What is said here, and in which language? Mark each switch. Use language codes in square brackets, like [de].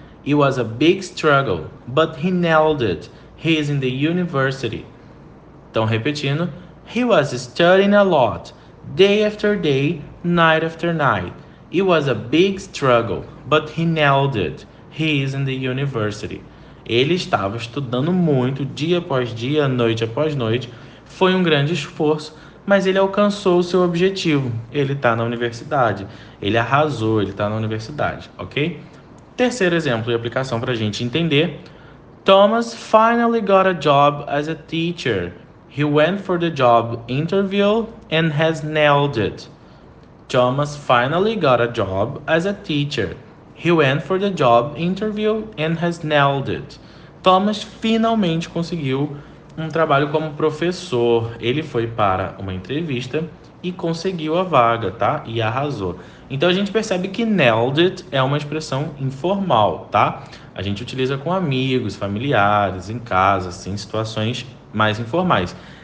[en] It was a big struggle, but he nailed it. He is in the university. [pt] Então, repetindo. [en] He was studying a lot, day after day, night after night. It was a big struggle, but he nailed it. He is in the university. [pt] Ele estava estudando muito, dia após dia, noite após noite. Foi um grande esforço. Mas ele alcançou o seu objetivo. Ele está na universidade. Ele arrasou. Ele está na universidade, ok? Terceiro exemplo e aplicação para a gente entender: [en] Thomas finally got a job as a teacher. He went for the job interview and has nailed it. Thomas finally got a job as a teacher. He went for the job interview and has nailed it. [pt] Thomas finalmente conseguiu um trabalho como professor. Ele foi para uma entrevista e conseguiu a vaga, tá? E arrasou. Então a gente percebe que nailed it é uma expressão informal, tá? A gente utiliza com amigos, familiares, em casa, assim, situações mais informais.